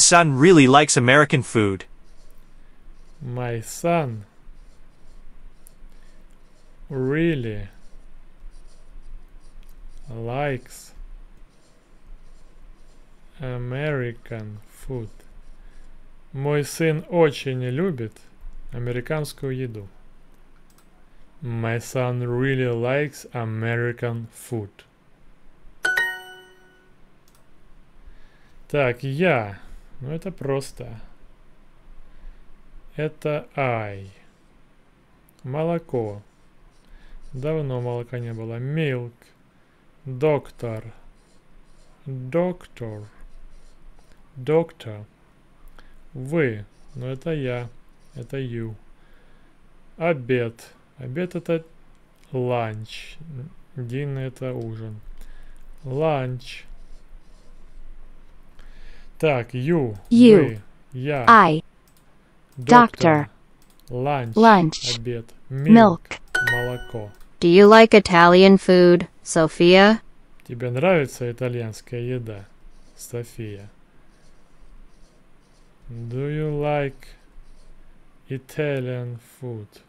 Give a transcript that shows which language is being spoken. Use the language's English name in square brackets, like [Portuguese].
[English] son really likes American food. My son really likes American food. [Russian] Мой сын очень любит американскую еду. [English] My son really likes American food. [Russian] Так, я. Ну это просто. Это I. Молоко. Давно молока не было. Milk. Доктор. Доктор. Доктор. Вы. Ну это я. Это you. Обед. Обед это lunch. Дин это ужин. Lunch. Так, you, [English] You, [Russian] вы, я, [English] I, [Russian] доктор, [English] doctor, [Russian] ланч, [English] lunch, [Russian] обед, [English] milk. milk, молоко. Do you like Italian food, Sophia? [Russian] Тебе нравится итальянская еда, София? [English] Do you like Italian food?